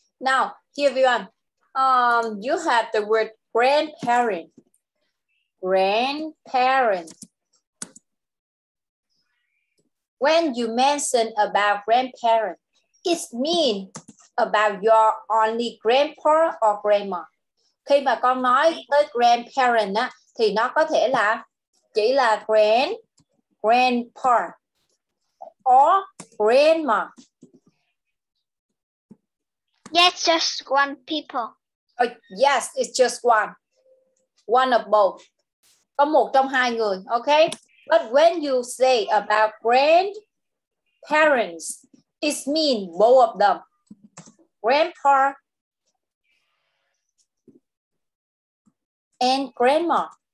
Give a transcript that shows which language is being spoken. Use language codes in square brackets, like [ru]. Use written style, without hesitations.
[en] Now, here we are. You have the word grandparent. Grandparent. When you mention about grandparents, it means about your only grandpa or grandma. [vi] Khi mà con nói tới grandparent á, thì nó có thể là chỉ là [en] grandpa or grandma. Yes, just one people. Yes, it's just one. One of both. [vi] Có một trong hai người, okay? [en] But when you say about grandparents, it means both of them. Grandpa and grandma.